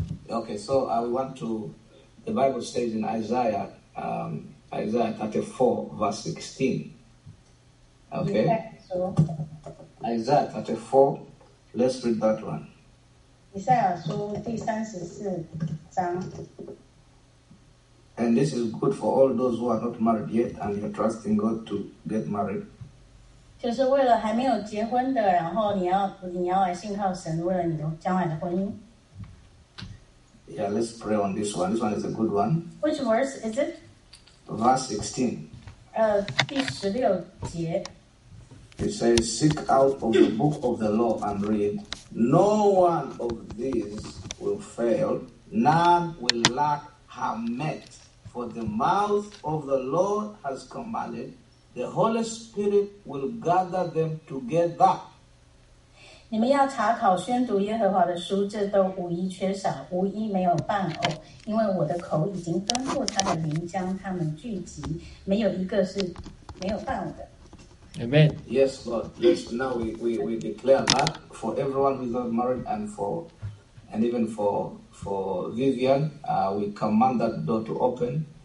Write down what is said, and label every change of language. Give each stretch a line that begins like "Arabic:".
English: Okay, so I want to. The Bible says in Isaiah 34:16. Okay? Isaiah 34, let's read that one.
Chinese: Isaiah 书第34章.
English: And this is good for all those who are not married yet and you're trusting God to get married.
Chinese: 就是为了还没有结婚的，然后你要来信靠神，为了你的将来的婚姻。
English: Yeah, let's pray on this one. This one is a good one. Which verse is it? Verse 16.
Chinese: 第16节。
English: It says, seek out of the book of the law and read. No one of these will fail. None will lack her meat. For the mouth of the Lord has commanded, the Holy Spirit will gather them together.
Chinese: 你们要查考宣读耶和华的书，这都无一缺少，无一没有半偶。因为我的口已经吩咐他的灵将他们聚集，没有一个是没有半偶的。
English: Amen. Yes, Lord. Yes. Now we declare that for everyone who's not married and for Vivian, we command that door to open.